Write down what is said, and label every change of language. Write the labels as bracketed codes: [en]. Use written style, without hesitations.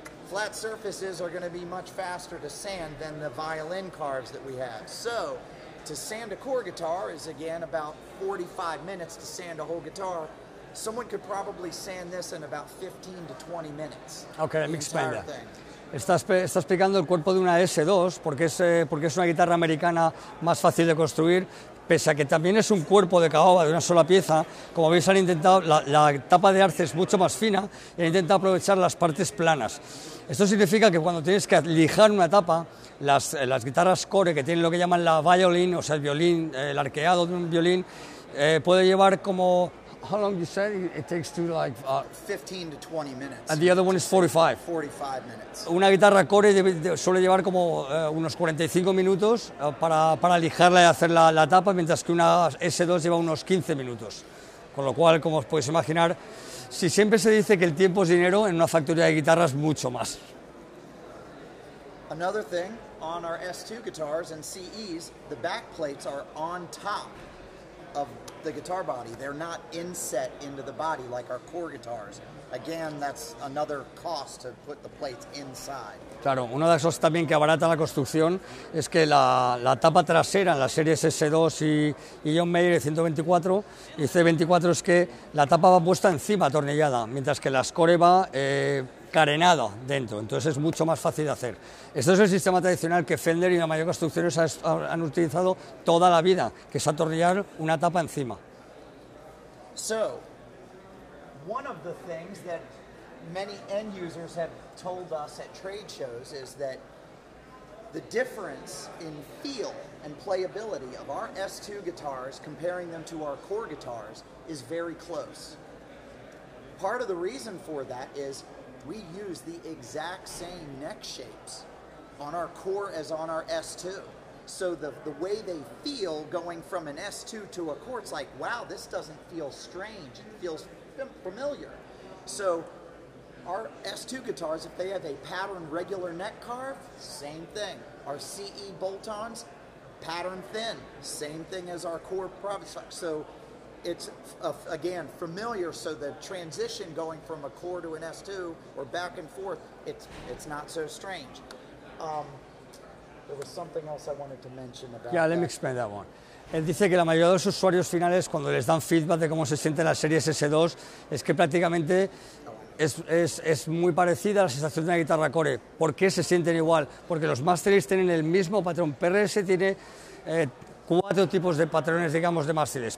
[en] Flat surfaces are going to be much faster to sand than the violin carves that we have. So, to sand a core guitar is again about 45 minutes to sand a whole guitar. Someone could probably sand this in about 15 to 20 minutes. Okay, let me explain that. [es] Está explicando el cuerpo de una S2 porque es una guitarra americana más fácil de construir. Pese a que también es un cuerpo de caoba de una sola pieza, como veis han intentado, la tapa de arce es mucho más fina y han intentado aprovechar las partes planas. Esto significa que cuando tienes que lijar una tapa, las guitarras core que tienen lo que llaman la violin, o sea el violín, el arqueado de un violín, puede llevar como... [en] How long you said it takes to like 15 to 20 minutes. And the other one is 45. 45 minutes. [es] Una guitarra core suele llevar como unos 45 minutos para lijarla y hacer la tapa, mientras que una S2 lleva unos 15 minutos. Con lo cual, como os podéis imaginar, si siempre se dice que el tiempo es dinero, en una factoría de guitarras mucho más. [en] Another thing on our S2 guitars and CEs, the back plates are on top of the guitar body. They're not inset into the body like our core guitars. Again, that's another cost to put the plates inside. [es] Claro, uno de esos también que abarata la construcción es que la tapa trasera en las series S2 y John Mayer 124 y C24 es que la tapa va puesta encima, atornillada, mientras que las core va carenada dentro. Entonces es mucho más fácil de hacer. Esto es el sistema tradicional que Fender y la mayoría de construcciones han utilizado toda la vida, que es atornillar una tapa encima. [en] So, one of the things that many end users have told us at trade shows is that the difference in feel and playability of our S2 guitars comparing them to our core guitars is very close. Part of the reason for that is we use the exact same neck shapes on our core as on our S2. So the way they feel going from an S2 to a core, it's like, wow, this doesn't feel strange. It feels familiar. So our S2 guitars, if they have a pattern regular neck carve, same thing. Our CE bolt-ons, pattern thin, same thing as our core product. So it's, again, familiar, so the transition going from a core to an S2 or back and forth, it's not so strange. There was something else I wanted to mention about that. Yeah, let me explain that one. [es] Él dice que la mayoría de los usuarios finales, cuando les dan feedback de cómo se siente la serie S2, es que prácticamente es muy parecida a la sensación de una guitarra core. ¿Por qué se sienten igual? Porque los mástiles tienen el mismo patrón. PRS tiene cuatro tipos de patrones, digamos, de mástiles.